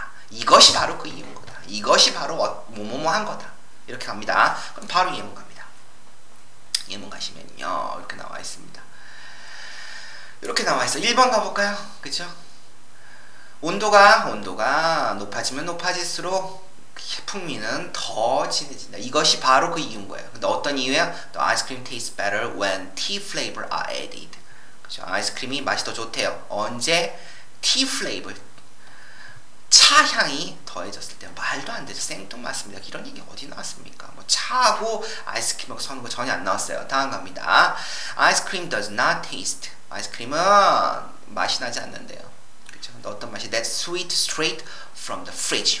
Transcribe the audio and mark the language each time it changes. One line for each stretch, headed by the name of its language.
Korean: 이것이 바로 그 이유인 거다. 이것이 바로 뭐뭐뭐한 거다. 이렇게 갑니다. 그럼 바로 예문 갑니다. 예문 가시면요 이렇게 나와 있습니다. 이렇게 나와 있어. 1번 가볼까요? 그죠? 온도가 높아지면 높아질수록 풍미는 더 진해진다. 이것이 바로 그 이유인 거예요. 근데 어떤 이유야?
English: The ice cream tastes better when tea flavor are added.
Korean: 그죠? 아이스크림이 맛이 더 좋대요. 언제?
English: Tea flavor.
Korean: 차 향이 더해졌을 때. 말도 안 되죠. 생뚱맞습니다. 이런 얘기 어디 나왔습니까? 뭐 차하고 아이스크림하고 섞는 거 전혀 안 나왔어요. 다음 갑니다.
English: Ice cream does not taste.
Korean: 아이스크림은 맛이 나지 않는데요. 어떤 맛이
English: that sweet straight from the fridge.